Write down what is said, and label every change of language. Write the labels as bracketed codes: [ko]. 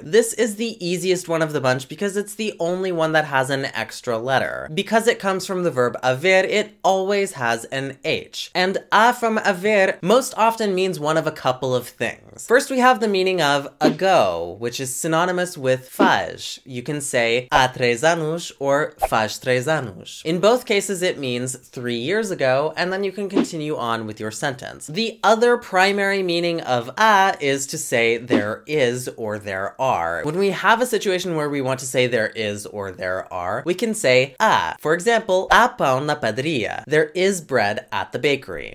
[en] This is the easiest one of the bunch because it's the only one that has an extra letter. Because it comes from the verb haver, it always has an H. And a from haver most often means one of a couple of things. First, we have the meaning of ago, which is synonymous with faz. You can say [pt] há 3 anos [en] or [pt] faz 3 anos. [en] In both cases, it means 3 years ago, and then you can continue on with your sentence. The other primary meaning of a is to say there is or there are. When we have a situation where we want to say there is or there are, we can say a. For example, [pt] há pão na padaria. [en] There is bread at the bakery.